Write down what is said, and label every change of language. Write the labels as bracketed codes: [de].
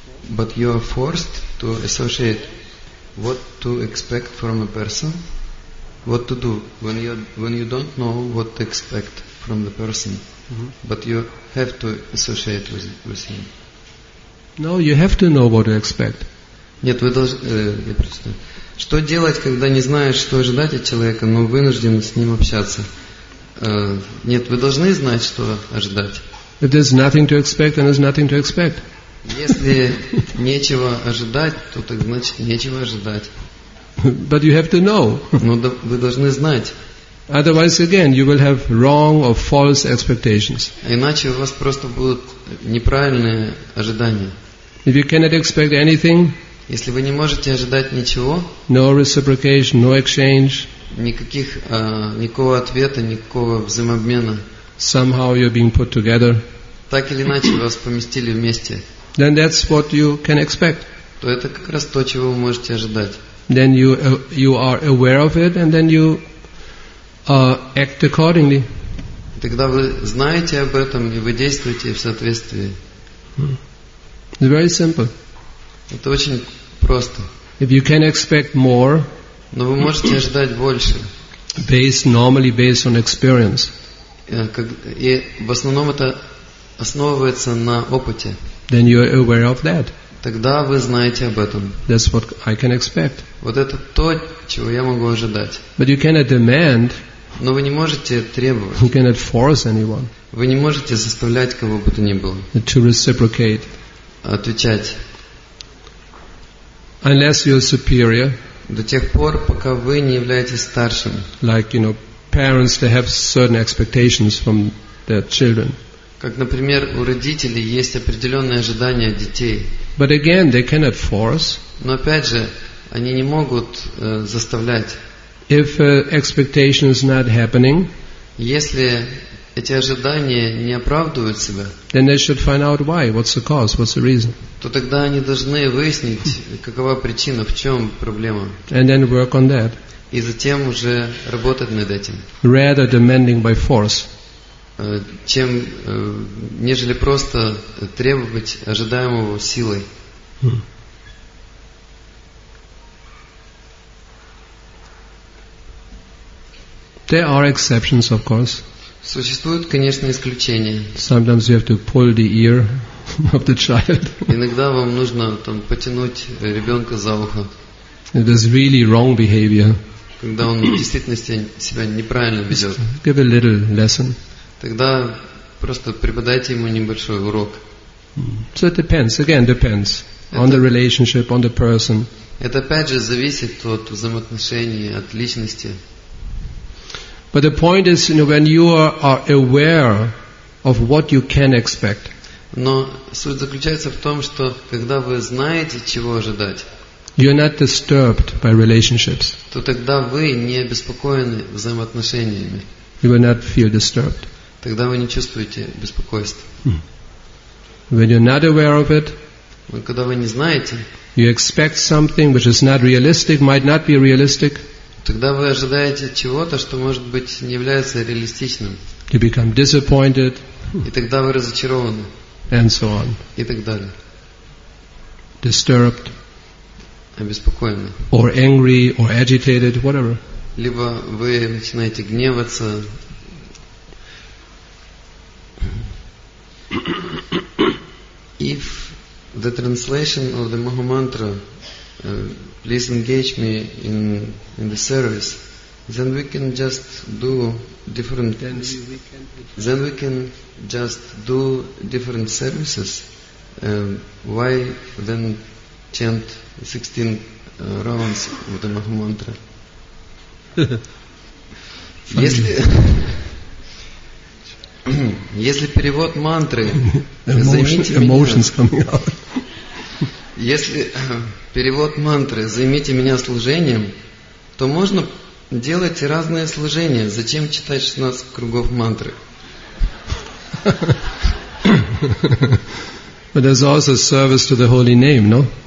[en] But you are forced to associate. What to expect from a person? What to do when you don't know what to expect from the person, mm-hmm. but you have to associate with him. No, you have to know what to expect. [ru] Нет, вы должны. Я представляю. Что делать, когда не знаешь, что ожидать от человека, но вынужден с ним общаться? Нет, вы должны знать, что ожидать. [en] If there's nothing to expect, then there's nothing to expect. [ru] Если нечего ожидать, то так значит нечего ожидать. [en] But you have to know. [ru] Но вы должны знать. [en] Otherwise, again, you will have wrong or false expectations. [ru] Иначе у вас просто будут неправильные ожидания. [en] If you cannot expect anything, [ru] если вы не можете ожидать ничего, [en] no reciprocation, no exchange, [ru] никакого ответа, никакого взаимообмена, [en] somehow you're being put together, [ru] так или иначе вас поместили вместе, [en] then that's what you can expect. [ru] То это как раз то, чего вы можете ожидать. [en] Then you are aware of it, and then you act accordingly. [ru] Тогда вы знаете об этом и вы действуете в соответствии. [en] It's very simple. [ru] Это очень просто. [en] If you can expect more, [ru] но вы можете ожидать больше. [en] Normally based on experience. [ru] И в основном это основывается на опыте. [en] Then you are aware of that. [ru] Тогда вы знаете об этом. [en] That's what I can expect. [ru] Вот это то, чего я могу ожидать. [en] But you cannot demand. [ru] Но вы не можете требовать. [en] You cannot force anyone. [ru] Вы не можете заставлять кого бы то ни было. [en] To reciprocate. [ru] Отвечать. [en] Unless you're superior. [ru] До тех пор, пока вы не являетесь старшим. [en] Like, you know, parents, they have certain expectations from their children. [ru] Как, например, у родителей есть определенные ожидания от детей. [en] But again, they cannot force. [ru] Но опять же, они не могут заставлять. [en] If expectation is not happening, [ru] если эти ожидания не оправдывают себя, [en] then they should find out why, what's the cause, what's the reason. [ru] То тогда они должны выяснить, какова причина, в чем проблема. [en] And then work on that. [ru] и затем уже работать над этим. [en] Rather demanding by force. [ru] Чем, нежели просто требовать ожидаемого силой. [en] There are exceptions, of course. [ru] Существуют, конечно, исключения. [en] Sometimes you have to pull the ear of the child. [ru] Иногда вам нужно там потянуть ребенка за ухо. [en] It is really wrong behavior. [ru] Когда он в действительности себя неправильно ведет. [en] Give a little lesson. [ru] Тогда просто преподайте ему небольшой урок. [en] So it depends. Again, depends on the relationship, on the person. [ru] Это опять же зависит от взаимоотношений, от личности. [en] But the point is, you know, when you are aware of what you can expect. [ru] Но суть заключается в том, что когда вы знаете, чего ожидать. [en] You are not disturbed by relationships. [ru] То тогда вы не обеспокоены взаимоотношениями. [en] You will not feel disturbed. [ru] Тогда вы не чувствуете беспокойства. [en] When you're not aware of it. [ru] Но когда вы не знаете. [en] You expect something which is not realistic, might not be realistic. [ru] Тогда вы ожидаете чего-то, что, может быть, не является реалистичным. [en] You become disappointed. [ru] И тогда вы разочарованы. [en] And so on. [ru] И так далее. [en] Disturbed. [ru] Обеспокоены. [en] Or angry, or agitated, whatever. [ru] Либо вы начинаете гневаться. [en] If the translation of the Maha Mantra please engage me in the service, then we can just do different things. Then we can just do different services. Why then chant 16 rounds of the Maha Mantra? [ru] Если перевод мантры, займите меня. Если перевод мантры, займите меня служением, то можно делать разные служения. Зачем читать 16 кругов мантры? [en] But there's also service to the holy name, no?